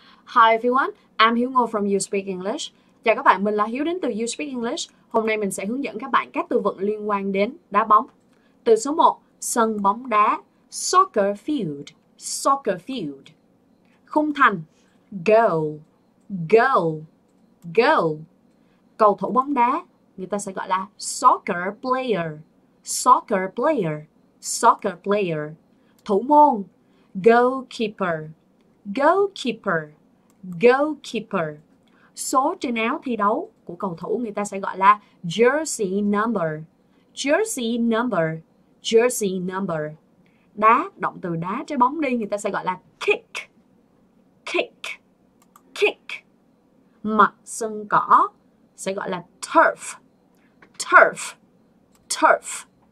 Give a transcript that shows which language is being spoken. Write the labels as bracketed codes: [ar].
[en] Hi everyone, I'm Hiếu Ngô from Uspeak English. [vi] Chào các bạn, mình là Hiếu đến từ Uspeak English. Hôm nay mình sẽ hướng dẫn các bạn các từ vựng liên quan đến đá bóng. Từ số 1, sân bóng đá, soccer field, soccer field. Khung thành, [en] goal, goal, goal. [vi] Cầu thủ bóng đá, người ta sẽ gọi là soccer player, soccer player, soccer player. Thủ môn, [en] goalkeeper, goalkeeper, goalkeeper. [vi] Số trên áo thi đấu của cầu thủ người ta sẽ gọi là jersey number, jersey number, jersey number. Đá, động từ đá trái bóng đi, người ta sẽ gọi là kick, kick, kick. Mặt sân cỏ sẽ gọi là turf, turf, turf.